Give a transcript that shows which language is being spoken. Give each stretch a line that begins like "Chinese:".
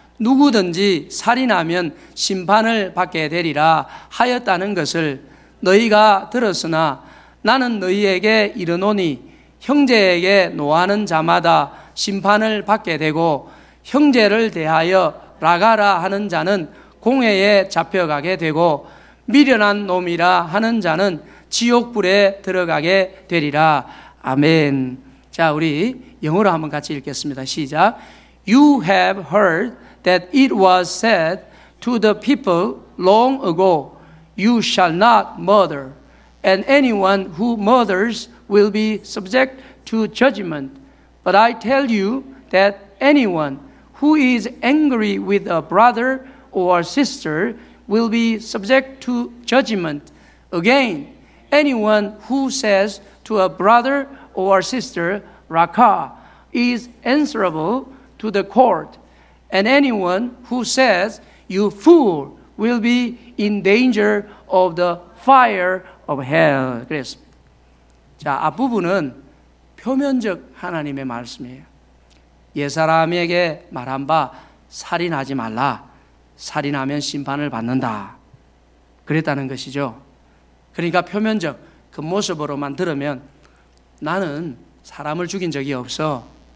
Korean: 누구든지 살인하면 심판을 받게 되리라 하였다는 것을 너희가 들었으나 나는 너희에게 이르노니 형제에게 노하는 자마다 심판을 받게 되고 형제를 대하여 라가라 하는 자는 공회에 잡혀가게 되고 미련한 놈이라 하는 자는 지옥불에 들어가게 되리라. 아멘. 자, 우리 영어로 한번 같이 읽겠습니다. 시작.
English: You have heard that it was said to the people long ago, You shall not murder, and anyone who murders will be subject to judgment. But I tell you that anyone who is angry with a brother or sister will be subject to judgment. Again, anyone who says to a brother or sister, Raka, is answerable to the court. And anyone who says, you fool, will be in danger of the fire of hell.
Korean: 그랬습니다. 자, 앞부분은 표면적 하나님의 말씀이에요. 옛사람에게 말한 바 살인하지 말라. 살인하면 심판을 받는다. 그랬다는 것이죠. 그러니까 표면적 그 모습으로만 들으면 나는 사람을 죽인 적이 없어.